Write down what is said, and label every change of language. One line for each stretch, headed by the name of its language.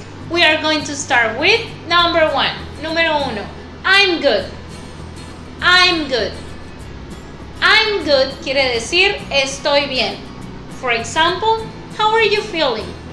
English: We are going to start with number one.
Spanish: Número uno.
English: I'm good. I'm good. I'm good
Spanish: quiere decir estoy bien.
English: For example, how are you feeling?